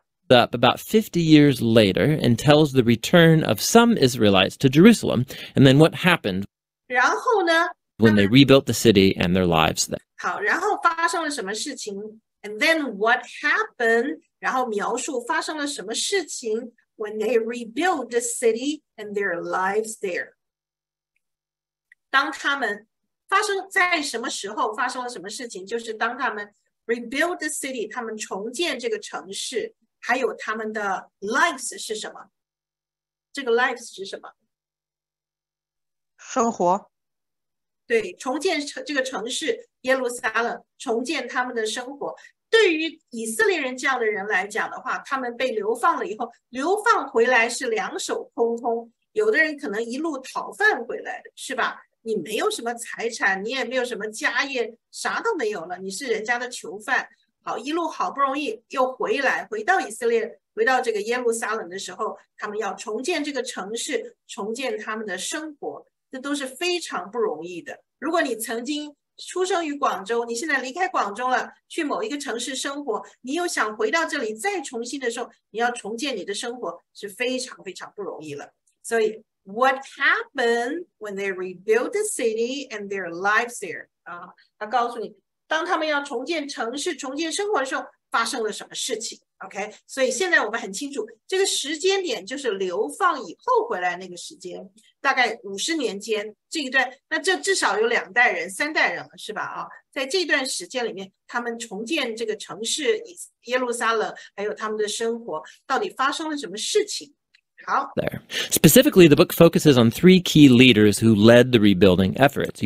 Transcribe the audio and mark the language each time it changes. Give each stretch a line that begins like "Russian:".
English: up about 50 years later and tells the return of some Israelites to Jerusalem and then what happened
Chinese: 然后呢,
English: when they rebuilt the city and their lives there.
Chinese: 好, 然后发生了什么事情?
English: And then what happened?
Chinese: 然后描述发生了什么事情?
English: When they rebuilt the city and their lives there.
Chinese: 当他们发生在什么时候发生了什么事情? 就是当他们
English: rebuild the city,
Chinese: 他们重建这个城市, 还有他们的lives是什么? 这个lives是什么? 生活。对,重建这个城市, 耶路撒冷, 重建他们的生活。对于以色列人这样的人来讲的话, 他们被流放了以后, 流放回来是两手空空, 有的人可能一路讨饭回来的, 是吧? 你没有什么财产, 你也没有什么家业, 啥都没有了, 你是人家的囚犯。好, 一路好不容易又回来, 回到以色列, 回到这个耶路撒冷的时候, 他们要重建这个城市, 重建他们的生活, 这都是非常不容易的。如果你曾经出生于广州, 你现在离开广州了, 去某一个城市生活, 你又想回到这里, 再重新的时候, 你要重建你的生活, 是非常非常不容易了。
English: 所以, what happened when they rebuilt the city and their lives there?
Chinese: 他告诉你, 当他们要重建城市, 重建生活的时候, 发生了什么事情? OK, 所以现在我们很清楚, 这个时间点就是流放以后回来那个时间, 大概50年间, 这一段, 那这至少有两代人, 三代人了, 是吧? 在这段时间里面, 他们重建这个城市, 耶路撒冷, 还有他们的生活, 到底发生了什么事情?
English: There. Specifically, the book focuses on three key leaders who led the rebuilding efforts.